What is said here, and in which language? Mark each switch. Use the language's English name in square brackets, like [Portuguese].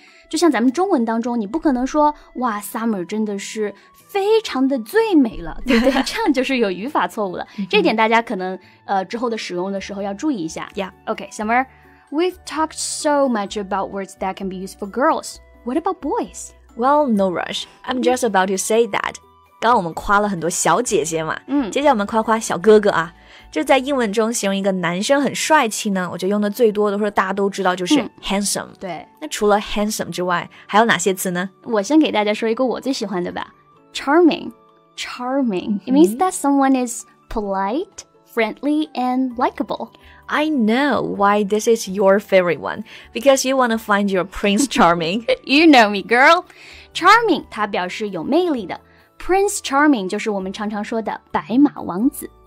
[Chinese] 就像咱们中文当中你不可能说哇 Summer 真的是非常的最美了对不对这样就是有语法错误了这点大家可能之后的使用的时候要注意一下 [English] Yeah OK Summer We've talked so much about words that can be used for girls. What about boys? Well, no rush. I'm just about to say that. [Chinese] 刚刚我们夸了很多小姐姐嘛，接下来我们夸夸小哥哥啊。就在英文中形容一个男生很帅气呢，我就用的最多的或者大家都知道就是 handsome。对，那除了 handsome 之外，还有哪些词呢？我先给大家说一个我最喜欢的吧。 [English] Charming, charming. It means that someone is polite, friendly, and likable. I know why this is your favorite one, because you want to find your prince charming. You know me, girl. Charming, [Chinese] 它表示有魅力的。 Prince charming 就是我们常常说的白马王子。